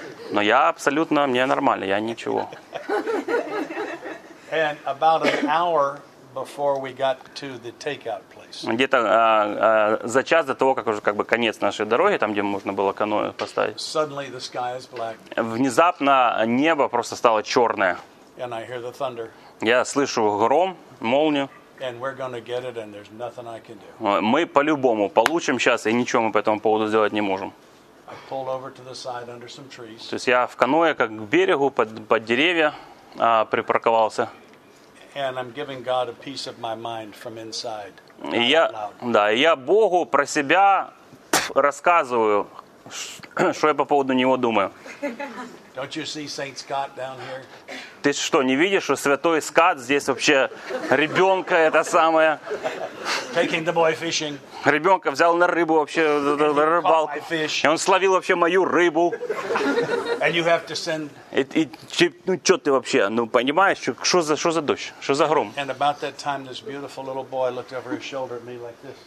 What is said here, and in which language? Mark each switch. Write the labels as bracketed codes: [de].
[ru] Но я абсолютно, мне нормально, я ничего. [en] And about an hour before we got to the takeout place. [ru] Где-то за час до того, как уже как бы конец нашей дороги, там, где можно было каноэ поставить. [en] Suddenly the sky is black. [ru] Внезапно небо просто стало черное. [en] And I hear the thunder. [ru] Я слышу гром, молнию. [en] And we're going to get it, and there's nothing I can do. [ru] Мы по-любому получим сейчас, и ничего мы по этому поводу сделать не можем. [en] I pulled over to the side under some trees. [ru] То есть я в каноэ как к берегу под деревья припарковался. [en] And I'm giving God a piece of my mind from inside. [ru] Я Богу про себя рассказываю, что я по поводу него думаю. [en] Don't you see Saint Scott down here? [ru] Ты что, не видишь, что святой Скотт здесь вообще ребенка это самое? [en] Taking the boy fishing. [ru] Ребенка взял на рыбу вообще, на рыбалку. [en] Caught my fish. [ru] И он словил вообще мою рыбу. [en] And you have to send... [ru] Ну что ты вообще, ну понимаешь, что за дождь, что за гром? [en] And about that time this beautiful little boy looked over his shoulder at me like this.